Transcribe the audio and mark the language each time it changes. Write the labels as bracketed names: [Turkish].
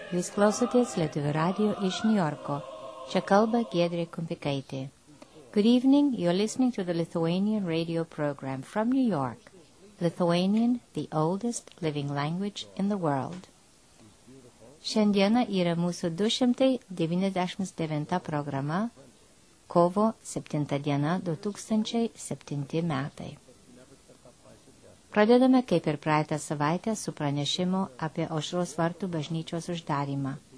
[Lithuanian] Jūs klausotės Lietuvių radio iš Niujorko. Čia kalba Giedrė Kumpikaitė. [English] Good evening, you're listening to the Lithuanian radio program from New York. Lithuanian, the oldest living language in the world. [Lithuanian] Šiandiena yra mūsų 299 programa, kovo 7 diena 2007 metai. Pradedame kaip ir praeitą savaitę su pranešimu apie Aušros vartų bažnyčios uždarymą.